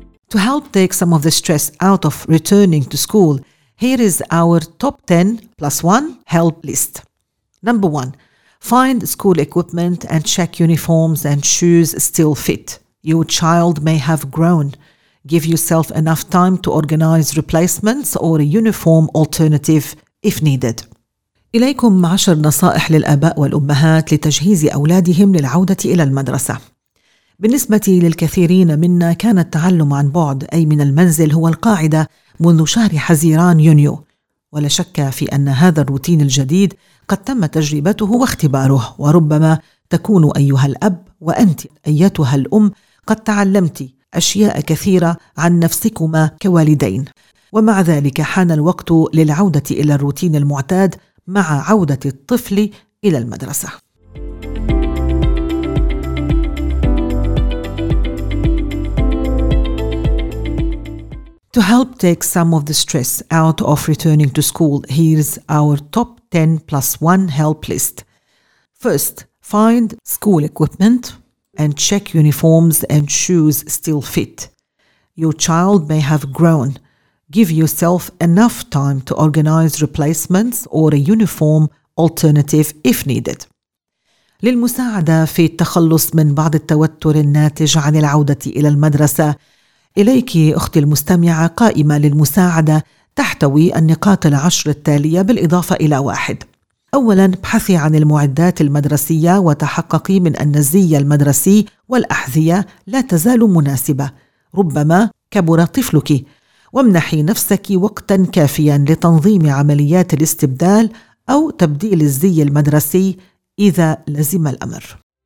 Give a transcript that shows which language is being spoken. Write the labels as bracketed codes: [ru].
[en] To help take some of the stress out of returning to school, here is our top 10 plus 1 help list. Number 1. Find school equipment and check uniforms and shoes still fit. Your child may have grown. Give yourself enough time to organize replacements or a uniform alternative if needed. [ar] إليكم 10 نصائح للآباء والأمهات لتجهيز أولادهم للعودة إلى المدرسة. بالنسبة للكثيرين منا كان التعلم عن بعد أي من المنزل هو القاعدة منذ شهر حزيران يونيو ولا شك في أن هذا الروتين الجديد قد تم تجربته واختباره وربما تكون أيها الأب وأنت أيتها الأم قد تعلمت أشياء كثيرة عن نفسكما كوالدين ومع ذلك حان الوقت للعودة إلى الروتين المعتاد مع عودة الطفل إلى المدرسة [en] To help take some of the stress out of returning to school, here's our top 10 plus 1 help list. First, find school equipment and check uniforms and shoes still fit. Your child may have grown. Give yourself enough time to organize replacements or a uniform alternative if needed. [ar] للمساعدة في التخلص من بعض التوتر الناتج عن العودة إلى المدرسة، إليك أختي المستمعة قائمة للمساعدة تحتوي النقاط العشر التالية بالإضافة إلى واحد أولاً ابحثي عن المعدات المدرسية وتحققي من أن الزي المدرسي والأحذية لا تزال مناسبة ربما كبر طفلك وامنحي نفسك وقتاً كافياً لتنظيم عمليات الاستبدال أو تبديل الزي المدرسي إذا لزم الأمر